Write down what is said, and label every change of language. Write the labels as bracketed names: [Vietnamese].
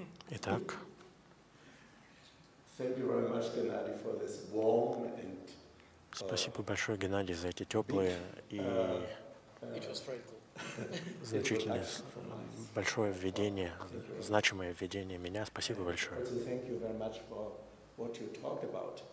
[Russian] Итак. [English] Thank you very much, Gennady, for this warm and [Russian] спасибо большое, Геннадий, за эти теплые и значительное большое введение, значимое введение меня. Спасибо большое. [English] Thank you very much for what you talked about.